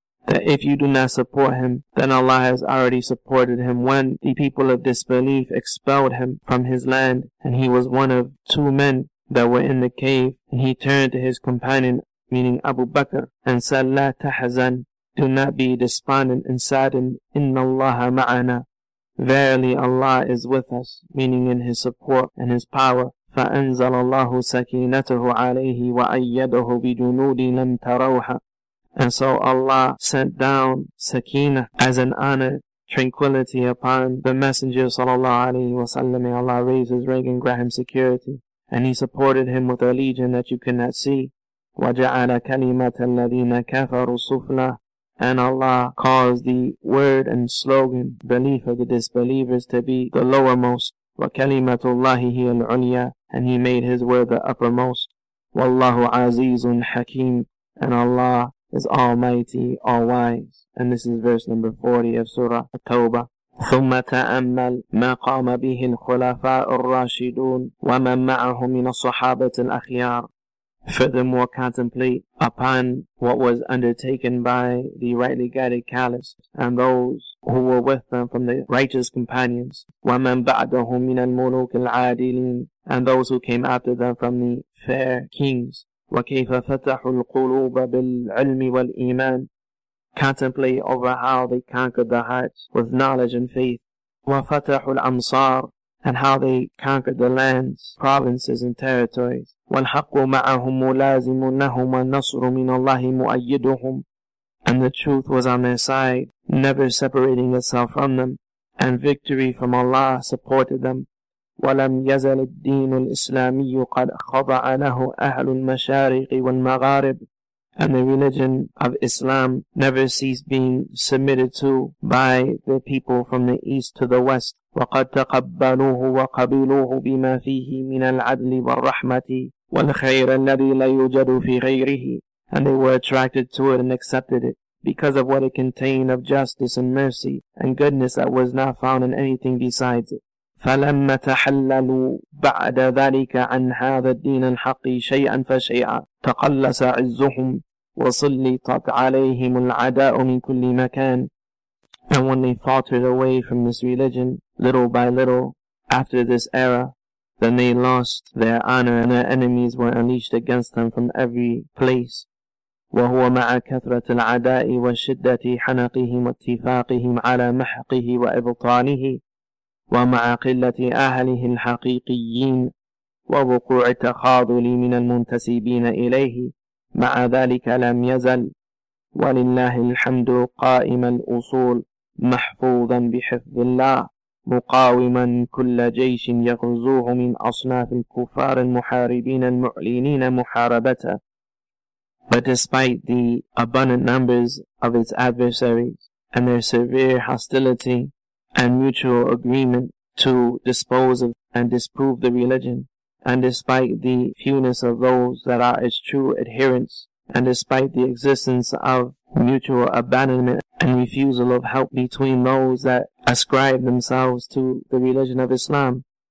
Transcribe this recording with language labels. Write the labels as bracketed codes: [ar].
[en] That if you do not support him, then Allah has already supported him when the people of disbelief expelled him from his land, and he was one of two men that were in the cave, and he turned to his companion, meaning Abu Bakr, and said, [ar] لَا تَحْزَنْ. [en] Do not be despondent and saddened. [ar] إِنَّ اللَّهَ مَعَنَا. [en] Verily Allah is with us, meaning in his support and his power. [ar] فأنزل الله سكينته عليه وأيده بجنود لم تروها. [en] And so Allah sent down Sakina as an honor, tranquility upon the Messenger sallallahu alayhi wa sallam. May Allah raise his rank and grant him security. And he supported him with a legion that you cannot see. [ar] وجعل كلمة الذين كفروا سفلى. [en] And Allah caused the word and slogan, belief of the disbelievers, to be the lowermost. [ar] وكلمة الله هي العليا. [en] And he made his word the uppermost. [ar] Wallahu azizun hakim. [en] And Allah is almighty, all wise. And this is verse number 40 of Surah At-Tawbah. [ar] ثم تأمل ما قام به الخلفاء الراشدون ومن معه من الصحابة الأخيار. [en] Furthermore, contemplate upon what was undertaken by the rightly guided caliphs and those who were with them from the righteous companions. [ar] وَمَنْ بَعْدَهُمْ مِنَ الْمُلُوكِ الْعَادِلِينَ. [en] And those who came after them from the fair kings. [ar] وَكَيْفَ فَتَحُوا الْقُلُوبَ بِالْعِلْمِ وَالْإِيمَانِ. [en] Contemplate over how they conquered the hearts with knowledge and faith. [ar] وَفَتَحُوا الْأَمْصَارِ. [en] And how they conquered the lands, provinces, and territories. [ar] وَالْحَقُّ مَعَهُمْ مُلَازِمٌ لَهُمْ وَالنَّصْرُ مِنَ اللَّهِ مُؤَيِّدُهُمْ. [en] And the truth was on their side, never separating itself from them, and victory from Allah supported them. [ar] ولم يزل الدين الإسلامي قد خضع له أهل المشارق والمغارب. [en] And the religion of Islam never ceased being submitted to by the people from the east to the west. [ar] وقد تقبلوه وقبلوه بما فيه من العدل والرحمة والخير الذي لا يوجد في غيره. [en] And they were attracted to it and accepted it because of what it contained of justice and mercy and goodness that was not found in anything besides it. [ar] فلما تحللوا بعد ذلك عن هذا الدين الحق شيئا فشيئا تقلص عزهم وسلطت عليهم العداء من كل مكان. [en] And when they faltered away from this religion, little by little, after this era, then they lost their honor and their enemies were unleashed against them from every place. [ar] وهو مع كثرة العداء وشدة حنقهم واتفاقهم على محقه وإبطاله ومع قلة أهله الحقيقيين ووقوع التخاذل من المنتسبين إليه مع ذلك لم يزل ولله الحمد قائم الأصول محفوظا بحفظ الله مقاوما كل جيش يغزوه من أصناف الكفار المحاربين المعلنين محاربته. [en] But despite the abundant numbers of its adversaries and their severe hostility and mutual agreement to dispose of and disprove the religion, and despite the fewness of those that are its true adherents, and despite the existence of mutual abandonment and refusal of help between those that ascribe themselves to the religion of Islam,